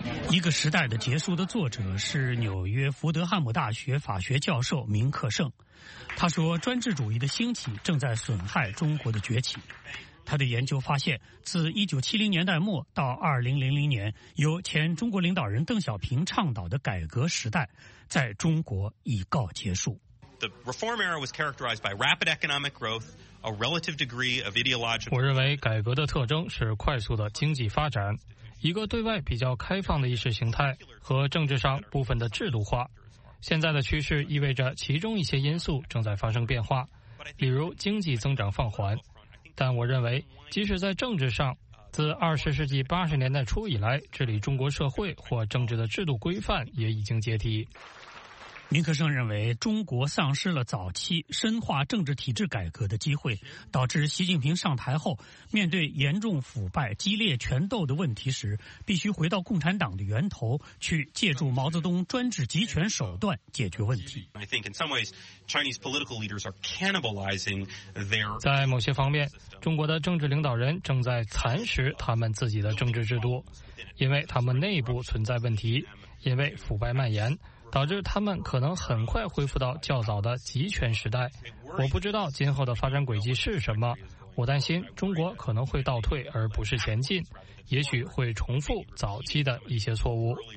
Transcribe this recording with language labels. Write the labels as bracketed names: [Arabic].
[Chinese] 一个时代的结束的作者是纽约福德汉姆大学法学教授明克盛，他说专制主义的兴起正在损害中国的崛起。他的研究发现，自1970年代末到2000年由前中国领导人邓小平倡导的改革时代在中国已告结束。 [English] The reform era was characterized by rapid economic growth, a relative degree of ideological. [Chinese] 我认为改革的特征是快速的经济发展，一个对外比较开放的意识形态和政治上部分的制度化。现在的趋势意味着其中一些因素正在发生变化，比如经济增长放缓。但我认为即使在政治上，自20世纪80年代初以来治理中国社会或政治的制度规范也已经解体。明克盛认为，中国丧失了早期深化政治体制改革的机会，导致习近平上台后面对严重腐败、激烈权斗的问题时，必须回到共产党的源头，去借助毛泽东专制集权手段解决问题。 [English] I think in some ways Chinese political leaders are cannibalizing their. [Chinese] 在某些方面，中国的政治领导人正在蚕食他们自己的政治制度，因为他们内部存在问题，因为腐败蔓延，导致他们可能很快恢复到较早的集权时代。我不知道今后的发展轨迹是什么，我担心中国可能会倒退而不是前进，也许会重复早期的一些错误。